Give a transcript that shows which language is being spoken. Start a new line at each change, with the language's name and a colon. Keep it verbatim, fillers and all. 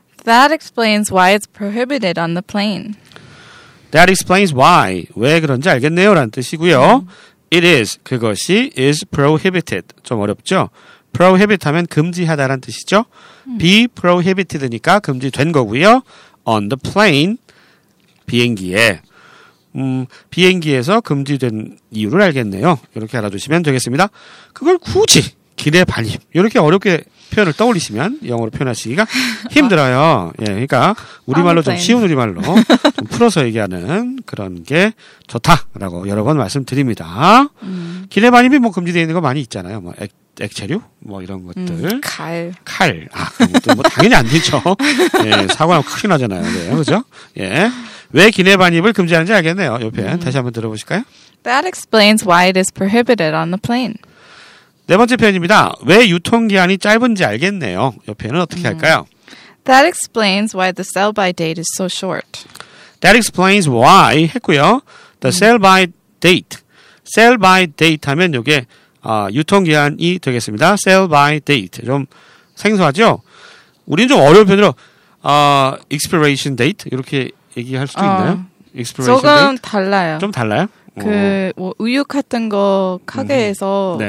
English: That explains why it's prohibited on the plane. That explains why.
Korean: 왜 그런지 알겠네요. 라는 뜻이고요. 음.
English: It is.
Korean: 그것이 is prohibited. 좀 어렵죠? prohibit 하면 금지하다라는 뜻이죠. 음. be prohibited니까 금지된 거고요.
English: on the plane.
Korean: 비행기에. 음, 비행기에서 금지된 이유를 알겠네요. 이렇게 알아두시면 되겠습니다. 그걸 굳이 기내 반입. 이렇게 어렵게 표현을 떠올리시면 영어로 표현하시기가 힘들어요. 예, 그러니까 우리말로 좀 쉬운 우리말로 좀 풀어서 얘기하는 그런 게 좋다라고 여러 번 말씀드립니다. 음. 기내 반입이 뭐 금지되어 있는 거 많이 있잖아요. 뭐 액, 액체류 뭐 이런 것들. 음, 칼. 칼. 아, 그것도 뭐 당연히 안 되죠. 예, 사고하면 크게 나잖아요. 네, 그죠? 예. 왜 기내 반입을 금지하는지 알겠네요. 옆에 음. 다시 한번 들어보실까요?
English: That explains why it is prohibited on the plane.
Korean: 네 번째 표현입니다. 왜 유통기한이 짧은지 알겠네요. 옆에는 어떻게 음. 할까요?
English: That explains why the sell-by date is so short. That explains why
Korean: 했고요.
English: The 음. sell-by date.
Korean: sell-by date 하면 이게 어, 유통기한이 되겠습니다. sell-by date. 좀 생소하죠? 우리는 좀 어려운 표현으로 어, expiration date 이렇게 얘기할 수도 어, 있나요?
English: expiration
Korean: 조금 date? 달라요. 좀 달라요? 그 뭐 우유 같은 거 가게에서 음, 네.